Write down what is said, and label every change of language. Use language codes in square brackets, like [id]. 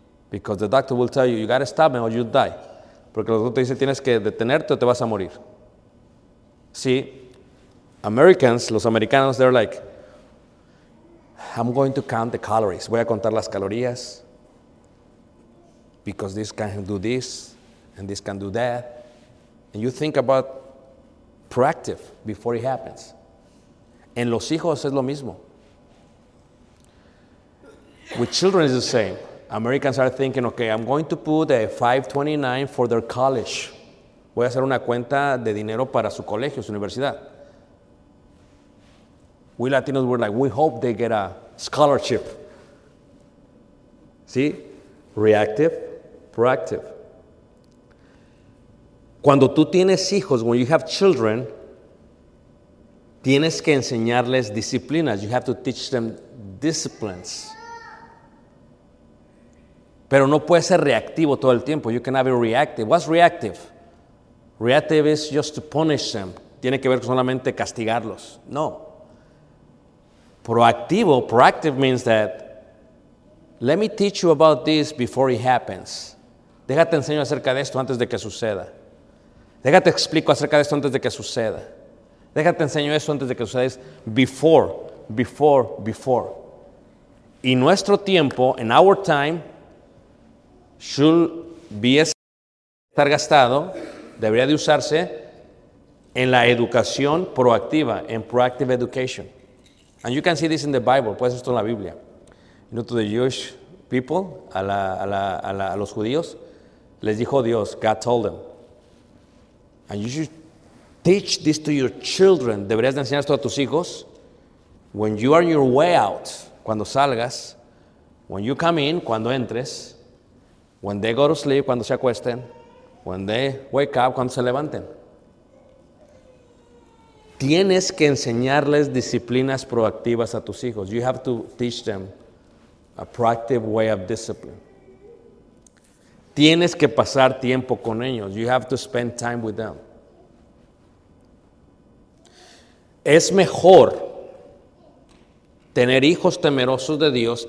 [en] Because the doctor will tell you, you gotta stop or you die. [es] Porque los doctores dicen, tienes que detenerte o te vas a morir. [en] See, Americans, [es] los americanos, [en] they're like, I'm going to count the calories. [es] Voy a contar las calorías. [en] Because this can do this, and this can do that. And you think about proactive before it happens. [es] En los hijos es lo mismo. [en] With children, it's the same. Americans are thinking, okay, I'm going to put a 529 for their college. [es] Voy a hacer una cuenta de dinero para su colegio, su universidad. [en] We Latinos were like, we hope they get a scholarship. See? Reactive, proactive. [es] Cuando tú tienes hijos, [en] when you have children, [es] tienes que enseñarles disciplinas. [en] You have to teach them disciplines. [es] Pero no puede ser reactivo todo el tiempo. [en] You cannot be reactive. What's reactive? Reactive is just to punish them. [es] Tiene que ver con solamente castigarlos. No. [en] Proactivo, proactive means that let me teach you about this before it happens. [es] Déjate enseño acerca de esto antes de que suceda. Déjate explico acerca de esto antes de que suceda. Déjate enseño esto antes de que suceda. [en] Before. [es] Y nuestro tiempo, [en] in our time, should be [es] estar gastado, debería de usarse en la educación proactiva, en [en] proactive education. And you can see this in the Bible. [es] Puedes ver esto en la Biblia. [en] You know, to the Jewish people, [es] a los judíos, les dijo Dios, [en] God told them, and you should teach this to your children, [es] deberías de enseñar esto a tus hijos, [en] when you are on your way out, [es] cuando salgas, [en] when you come in, [es] cuando entres, [en] when they go to sleep, [es] cuando se acuesten, [en] when they wake up, [es] cuando se levanten. Tienes que enseñarles disciplinas proactivas a tus hijos. [en] You have to teach them a proactive way of discipline. [es] Tienes que pasar tiempo con ellos. [en] You have to spend time with them. [es] Es mejor tener hijos temerosos de Dios.